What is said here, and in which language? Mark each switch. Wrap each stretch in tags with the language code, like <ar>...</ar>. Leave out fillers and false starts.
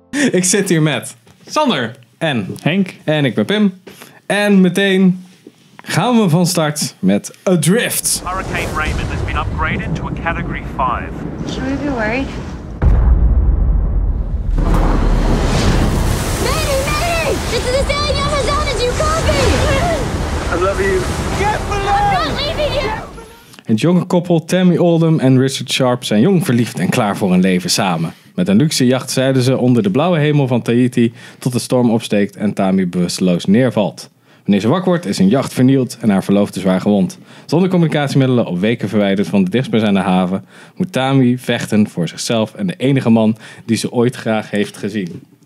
<nl>Ik zit hier met Sander en Henk. En ik ben Pim. En meteen gaan we van start met Adrift.</nl> <en>Hurricane Raymond has been upgraded to a category 5. Should we be worried? Maddie! This is the Daniel Hazanas, you copy! I love you. Get below! I'm not leaving you!</en> <nl>Het jonge koppel Tammy Oldham en Richard Sharpe zijn jong verliefd en klaar voor een leven samen. Met een luxe jacht zeilen ze onder de blauwe hemel van Tahiti tot de storm opsteekt en Tammy bewusteloos neervalt. Wanneer ze wakker wordt, is hun jacht vernield en haar verloofde zwaar gewond. Zonder communicatiemiddelen op weken verwijderd van de dichtstbijzijnde haven, moet Tammy vechten voor zichzelf en de enige man die ze ooit graag heeft gezien.</nl>